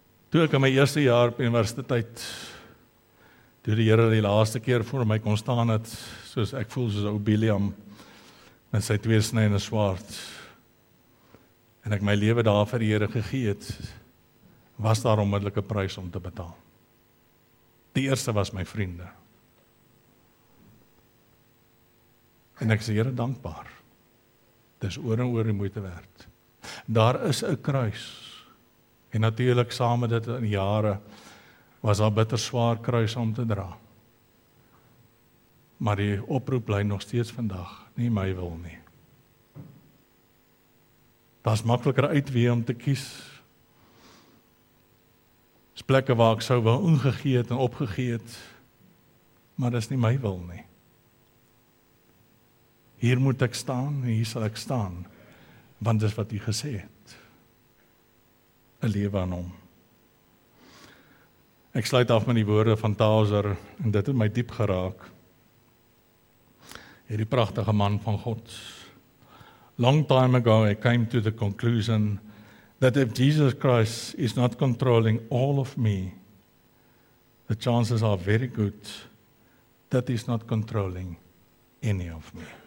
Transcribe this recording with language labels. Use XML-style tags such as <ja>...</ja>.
<af>Toe ek in my eerste jaar op universiteit, toe die Here die laaste keer voor my kon staan het, soos ek voel soos 'n Obeliam, en sy twee sny en 'n swaard, en ek my lewe daar vir die Here gegee het, was daar onmiddellik 'n prys om te betaal. Die eerste was my vriende. En ek is die Here dankbaar. Dis oor en oor die moeite werd. Daar is 'n kruis. En natuurlik saam met dit in jare was daar bitter swaar kruis om te dra. Maar die oproep bly nog steeds vandag. Nie my wil nie. Da's makliker uitwee om te kies. Dis plekke waar ek sou wel ingegee het en opgegee het, maar dis nie my wil nie. Hier moet ek staan en hier sal ek staan, want dis wat U gesê het. 'N lewe aan Hom. Ek sluit af met die woorde van Tauser en dit het my diep geraak. Hierdie pragtige man van God.</af> <en>Long time ago I came to the conclusion that if Jesus Christ is not controlling all of me, the chances are very good that He's not controlling any of me.</en>